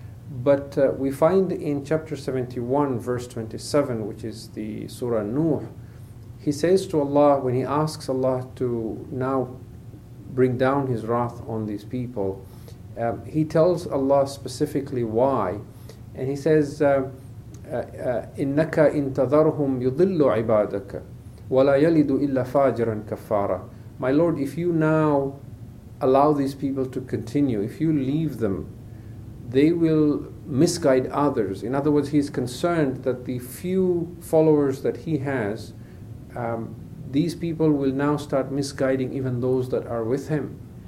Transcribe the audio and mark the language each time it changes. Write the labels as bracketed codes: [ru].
[en] But we find in chapter 71, verse 27, which is the Surah Nuh, he says to Allah, when he asks Allah to now bring down his wrath on these people, he tells Allah specifically why. And he says, [ar] إِنَّكَ إِن تَذَرْهُمْ يُضِلُّ عِبَادَكَ وَلَا يَلِدُ إِلَّا فَاجِرًا كَفَّارًا. [en] My Lord, if you now allow these people to continue, if you leave them, they will misguide others. In other words, he is concerned that the few followers that he has, these people will now start misguiding even those that are with him.